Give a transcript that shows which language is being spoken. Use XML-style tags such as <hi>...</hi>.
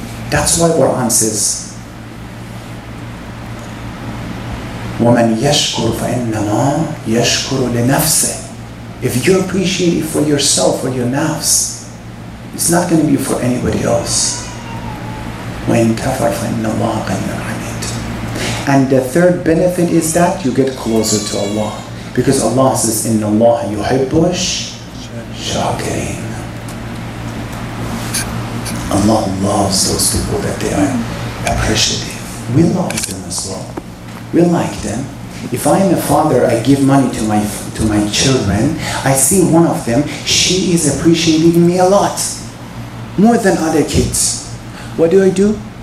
<en>That's why Quran says,</en> <ar>وَمَنْ يَشْكُرُ فَإِنَّمَا يَشْكُرُ لِنَفْسِهِ.</ar> <en>If you appreciate it for yourself, for your nafs, it's not going to be for anybody else.</en> <ar>وَإِنْ كَفَرْ فَإِنَّ اللَّهَ غَيْرٌ عَنِيدٌ.</ar> <en>And the third benefit is that you get closer to Allah. Because Allah says,</en> <ar>إِنَّ اللَّهَ يُحِبُّ الشَّاكِرِينَ.</ar> <en>Allah loves those people that they are appreciative. We love them as well. We like them. If I am a father, I give money to my children. I see one of them, she is appreciating me a lot, more than other kids. What do?</en>